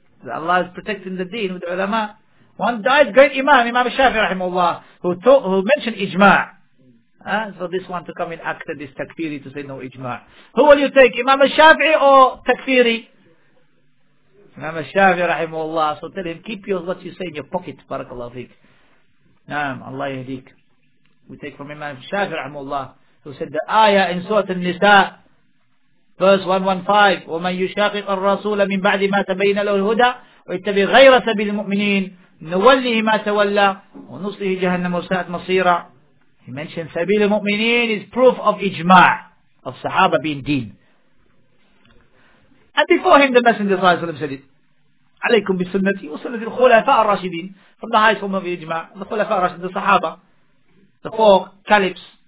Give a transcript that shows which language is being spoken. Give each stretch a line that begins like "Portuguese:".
English: Allah is protecting the deen with the ulama. One dies, great Imam, Imam Shafi, rahimullah, who mentioned ijma'. So this one to come in after this takfiri to say no ijma'. Who will you take, Imam al-Shafi'i or takfiri? Imam al-Shafi'i rahimahullah. So tell him, keep your, what you say in your pocket, barakallahu feek. Naam, Allah yahdik. We take from Imam al-Shafi'i rahimahullah, who said the ayah in Surah al-Nisa, verse 115,
Arabic: وَمَنْ يُشَاقِقْ الرَّسُولَ مِنْ بَعْدِ مَا تَبَيْنَ لَهُ الْهُدَى وَيَتَّبِي غَيْرَ سَبِيلِ الْمُؤْمِنِينَ نُوَلِّهِ مَا تَوَلَّى وَنُصْلِهِ جَهَنَّمَ وَسَاءَتْ مَصِيرًا.
English: He mentioned Sabil al-Mu'mineen is proof of ijma' of Sahaba being deen. And before him the Messenger of Allah said it.
Arabic: Alaykum bi sunnati wa sunnati al-Khulafa al-Rashidin.
English: From the highest form of ijma' the Khulafa al-Rashidin, the Sahaba, the four caliphs.